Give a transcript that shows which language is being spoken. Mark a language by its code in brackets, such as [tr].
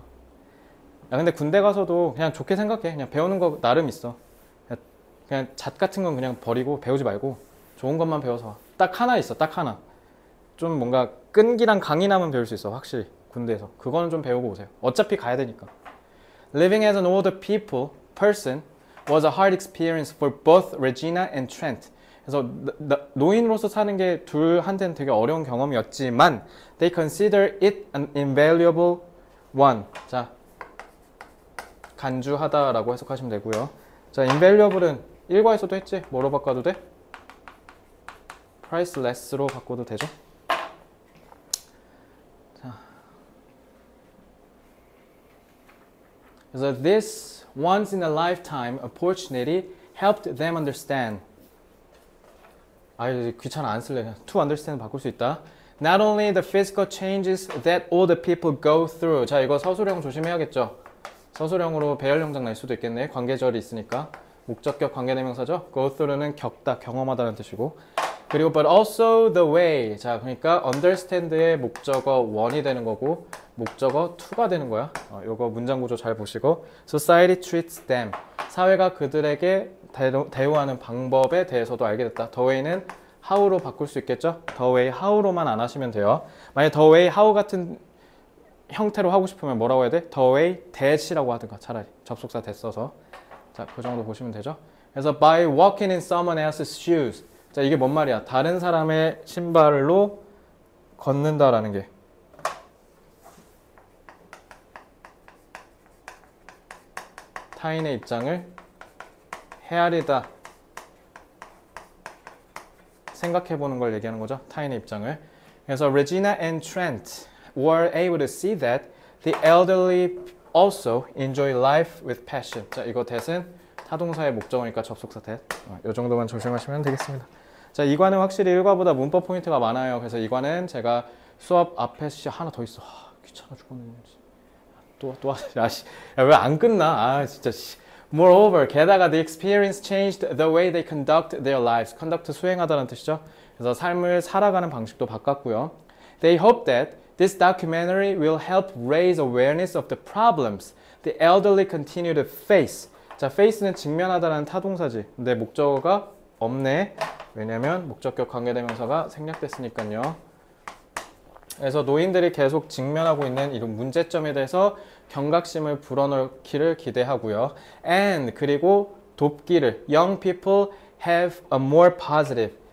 [ko] 야, 근데 군대 가서도 그냥 좋게 생각해. 그냥 배우는 거 나름 있어. 그냥 잣 같은 건 그냥 버리고 배우지 말고 좋은 것만 배워서 와. 딱 하나 있어. 딱 하나. 좀 뭔가 끈기랑 강인함은 배울 수 있어. 확실히. 군대에서. 그거는 좀 배우고 오세요. 어차피 가야 되니까. [en] Living as an older people, person was a hard experience for both Regina and Trent. [ko] 그래서 노인으로서 사는 게 둘한테는 되게 어려운 경험이었지만 [en] they consider it an invaluable one. [ko] 자, 간주하다라고 해석하시면 되고요. 자, invaluable은 일과에서도 했지. 뭐로 바꿔도 돼? priceless로 바꿔도 되죠? [en] 그래서 so this once in a lifetime opportunity helped them understand. [ko] 아, 귀찮아 안 쓸래. [en] To understand [ko] 바꿀 수 있다. [en] Not only the physical changes that all the people go through. [ko] 자, 이거 서술형 조심해야겠죠? 서술형으로 배열형장 날 수도 있겠네. 관계절이 있으니까. 목적격 관계대명사죠? Go through는 겪다, 경험하다는 뜻이고. 그리고 [en] but also the way. [ko] 자, 그러니까 understand의 목적어 원이 되는 거고 목적어 투가 되는 거야. 이거 문장 구조 잘 보시고. [en] Society treats them. [ko] 사회가 그들에게 대우하는 방법에 대해서도 알게 됐다. The way는 how로 바꿀 수 있겠죠? The way how로만 안 하시면 돼요. 만약에 the way how 같은 형태로 하고 싶으면 뭐라고 해야 돼? The way that이라고 하든가 차라리 접속사 됐어서. 자, 그 정도 보시면 되죠. 그래서 [en] by walking in someone else's shoes. [ko] 자, 이게 뭔 말이야? 다른 사람의 신발로 걷는다라는 게. 타인의 입장을 헤아리다 생각해보는 걸 얘기하는 거죠. 타인의 입장을. [en] 그래서 Regina and Trent were able to see that the elderly also enjoy life with passion. [ko] 자, 이거 that은 타동사의 목적어니까 접속사 that. 이 정도만 조심하시면 되겠습니다. 자, 이과는 확실히 일과보다 문법 포인트가 많아요. 그래서 이과는 제가 수업 앞에 씨 하나 더 있어. 아, 귀찮아 죽겠는지. 또 하자. 야, 씨. 야, 왜안 끝나? 아, 진짜, 씨. [en] Moreover, 게다가 the experience changed the way they conduct their lives. [ko] Conduct 수행하다는 뜻이죠. 그래서 삶을 살아가는 방식도 바꿨고요. [en] They hope that this documentary will help raise awareness of the problems the elderly continue to face. [ko] 자, face는 직면하다는 타동사지. 근데 목적어가 없네. 왜냐면 목적격 관계대명사가 생략됐으니까요. 그래서 노인들이 계속 직면하고 있는 이런 문제점에 대해서 경각심을 불어넣기를 기대하고요. [en] And [ko] 그리고 돕기를. [en] Young people have a more positive.